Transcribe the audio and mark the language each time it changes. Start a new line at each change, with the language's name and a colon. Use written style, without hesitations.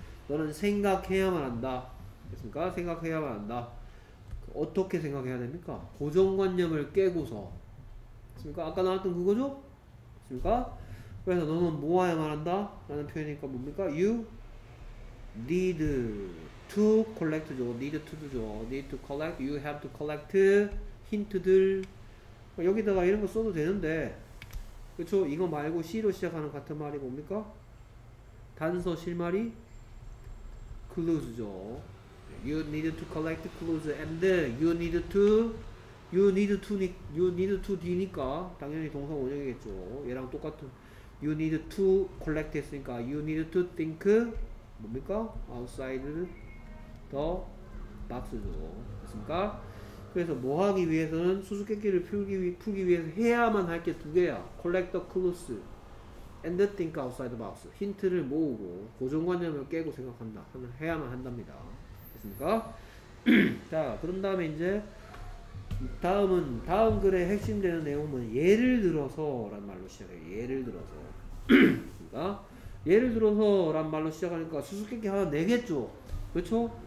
Korean: 너는 생각해야만 한다. 됐습니까? 생각해야만 한다. 어떻게 생각해야 됩니까? 고정관념을 깨고서. 됐습니까? 아까 나왔던 그거죠? 됐습니까? 그래서 너는 모아야만 한다 라는 표현이니까 뭡니까?
English: You need to collect죠. need to죠. need to collect, you have to collect, 힌트들.
Korean: 여기다가 이런 거 써도 되는데, 그쵸? 이거 말고 C로 시작하는 같은 말이 뭡니까? 단서 실마리 clues죠.
English: You need to collect clues and you need to, you need to, you need to
Korean: 뒤니까 당연히 동사 원형이겠죠. 얘랑 똑같은
English: you need to collect
Korean: 했으니까
English: you need to think
Korean: 뭡니까?
English: outside the box죠.
Korean: 됐습니까? 그래서 뭐 하기 위해서는 수수께끼를 풀기 위해서 해야만 할 게 두 개야.
English: collect the clues and think outside the box.
Korean: 힌트를 모으고 고정관념을 깨고 생각한다. 하면 해야만 한답니다. 됐습니까? 자, 그런 다음에 이제 다음은, 다음 글의 핵심되는 내용은 예를 들어서 라는 말로 시작해요. 예를 들어서. 됐습니까? 예를 들어서 라는 말로 시작하니까 수수께끼 하나 내겠죠. 그렇죠?